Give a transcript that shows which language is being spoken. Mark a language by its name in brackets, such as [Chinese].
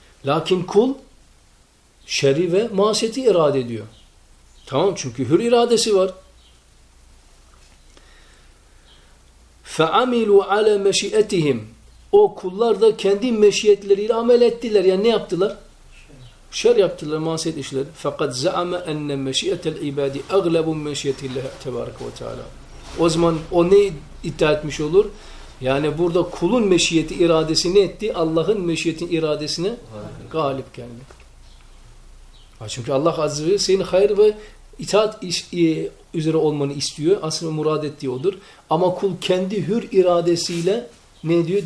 [Turkish] Lakin kul şerri ve masiyeti irade ediyor. Tamam çünkü hür iradesi var. [Arabic] فَعَمِلُوا عَلَى مَشِئَتِهِمْ [Turkish] O kullar da kendi meşiyetleriyle amel ettiler. Yani ne yaptılar? Şer yaptılar, masiyet işler. [Arabic] فَقَدْ زَعَمَ اَنَّ مَشِئَةَ الْعِبَادِ اَغْلَبٌ مَشِئَةِ اللّٰهِ تَبَارَكَ وَتَعَالَى [Turkish] O zaman o ne iddia etmiş olur? Yani burada kulun meşiyeti iradesi ne etti? Allah'ın meşiyetin iradesine galip geldi. Çünkü Allah Azze ve Celle senin hayır ve itaat üzere olmanı istiyor. Aslında murad ettiği odur. Ama kul kendi hür iradesiyle ne diyor?